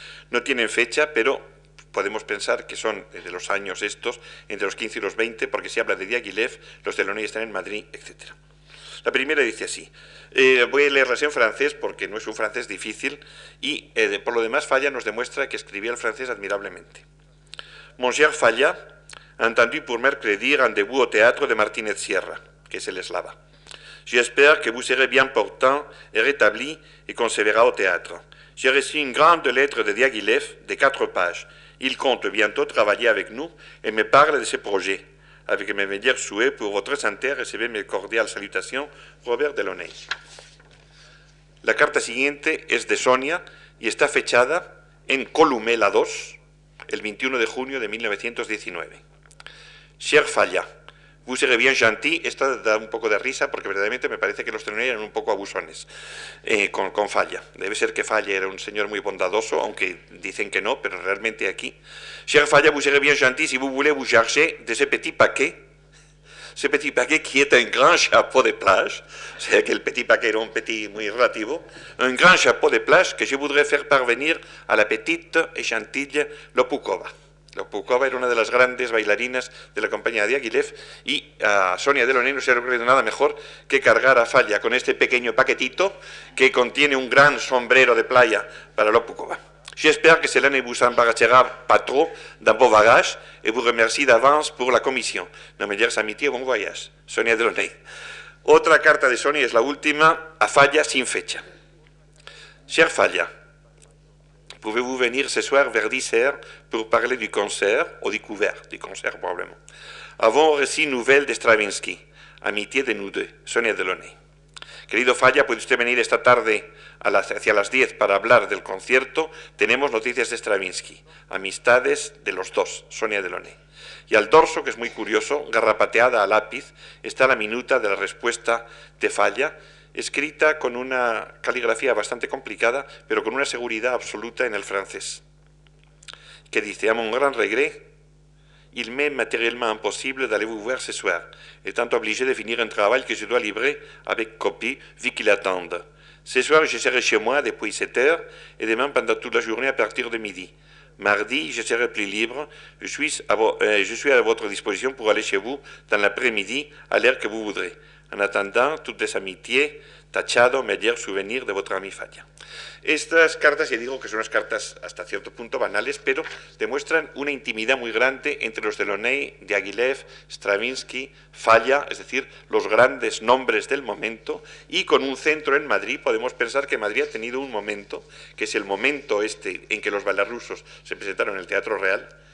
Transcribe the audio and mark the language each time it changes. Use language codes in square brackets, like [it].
[es] No tienen fecha, pero podemos pensar que son de los años estos, entre los 15 y los 20, porque se habla de Diaghilev, los de Loney están en Madrid, etc. La primera dice así, voy a leerlas en francés porque no es un francés difícil y por lo demás Falla nos demuestra que escribía el francés admirablemente. [fr] Monsieur Falla, entendu pour mercredi rendez-vous au théâtre de Martínez Sierra, [es] que es el eslava. [fr] J'espère que vous serez bien portant et rétabli et qu'on se verra au théâtre. J'ai reçu une grande lettre de Diaghilev de 4 pages. Il compte bientôt travailler avec nous et me parle de ses projets. Avec mes meilleurs souhaits pour votre santé, recevez mes cordiales salutations, Robert Delaunay. [es] La carta siguiente es de Sonia y está fechada en Columela 2, el 21 de junio de 1919. [fr] Cher Falla, vous serez bien gentil. [es] Esta da un poco de risa porque verdaderamente me parece que los Delaunay eran un poco abusones con Falla. Debe ser que Falla era un señor muy bondadoso, aunque dicen que no, pero realmente aquí. [fr] Cher Falla, vous serez bien gentil si vous voulez vous charger de ce petit paquet qui est un grand chapeau de plage, [es] o sea que el petit paquet era un petit muy relativo, [fr] un grand chapeau de plage que je voudrais faire parvenir à la petite et gentille Lopukhova. [es] Lopukhova era una de las grandes bailarinas de la compañía de Diaghilev y a Sonia Delaunay no se le ha ocurrido nada mejor que cargar a Falla con este pequeño paquetito que contiene un gran sombrero de playa para Lopukhova. [fr] J'espère que cela ne vous embarrassera pas trop dans vos bagages et vous remercie d'avance pour la commission. [es] No me digas [fr] amitié, bon voyage. Sonia Delaunay. [es] Otra carta de Sonia es la última, a Falla sin fecha. [fr] Cher Falla, pouvez-vous venir ce soir vers 10h pour parler du concert, ou du couvert, du concert probablement. Avons reçu nouvelles de Stravinsky, amitié de nous deux, Sonia Delaunay. [es] Querido Falla, puede usted venir esta tarde hacia las 10 para hablar del concierto. Tenemos noticias de Stravinsky, amistades de los dos, Sonia Delaunay. Y al dorso, que es muy curioso, garrapateada a lápiz, está la minuta de la respuesta de Falla, escrita con una caligrafía bastante complicada, pero con una seguridad absoluta en el francés, que dice, [fr] amo un gran regret, il m'est matériellement impossible d'aller vous voir ce soir, étant obligé de finir un travail que je dois livrer avec copie, vu qu'il attende. Ce soir, je serai chez moi depuis 7h, et demain pendant toute la journée à partir de midi. Mardi, je serai plus libre, je suis à votre disposition pour aller chez vous dans l'après-midi, à l'heure que vous voudrez. En attendant, toutes les amitiés, tachado, meilleur souvenir de votre ami Falla. [es] Estas cartas, ya digo que son unas cartas hasta cierto punto banales, pero demuestran una intimidad muy grande entre los Delaunay, Diaghilev, Stravinsky, Falla, es decir, los grandes nombres del momento, y con un centro en Madrid, podemos pensar que Madrid ha tenido un momento, que es el momento este en que los bailarrusos se presentaron en el Teatro Real,